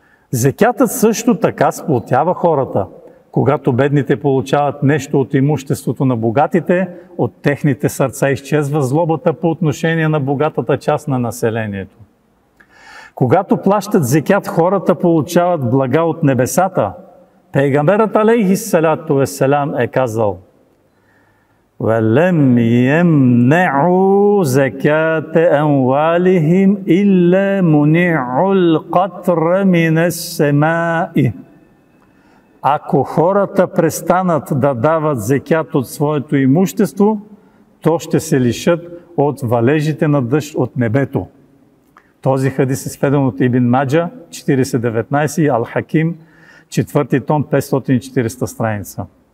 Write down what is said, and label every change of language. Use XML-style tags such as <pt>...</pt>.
<bg>Зекятът също така сплотява хората. Когато бедните получават нещо от имуществото на богатите, от техните сърца изчезва злобата по отношение на богатата част на населението. Когато плащат зекят, хората получават блага от небесата. Пейгамберът алейхи салату ес-салям е казал:</bg> <ar>وَلَمْ يَمْنَعُوا زَكَاةَ أَمْوَالِهِمْ إِلَّا مُنِعُوا الْقَطْرَ مِنَ السَّمَاءِ.</ar> <bg>Ако хората престанат да дават зекят от своето имущество, то ще се лишат от валежите на дъжд от небето. Този хадис е сведен от Ибн Маджа, 40.19 и Ал-Хаким, 4 том, 540 страница.</bg>